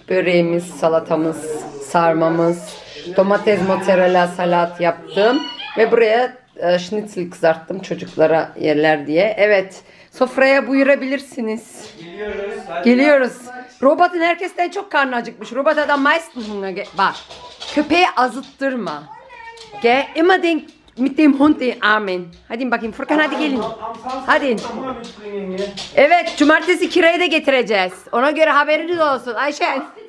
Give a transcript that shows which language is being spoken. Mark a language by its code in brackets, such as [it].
[tr] Böreğimiz, salatamız, sarmamız, domates, mozzarella salat yaptım. Ve buraya schnitzel kızarttım çocuklara yerler diye. Evet. Sofraya buyurabilirsiniz. Geliyoruz. Robotun herkesten çok karnı acıkmış. Robot adam Meister'ına gel. Bak. Köpeği azıttırma. Gel. [de] Immer den mit dem Hund in Armen. [tr] Hadi bakayım. Furkan hadi gelin. Hadi. Evet. Cumartesi kirayı da getireceğiz. Ona göre haberiniz olsun. Ayşen.